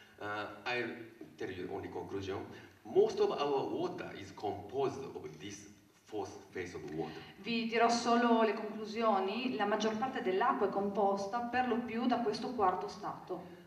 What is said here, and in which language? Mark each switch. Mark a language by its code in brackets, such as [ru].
[en] I'll tell you only conclusion. Most of our water is composed of this fourth phase of water. [it] Vi dirò solo le conclusioni. La maggior parte dell'acqua è composta per lo più da questo quarto stato.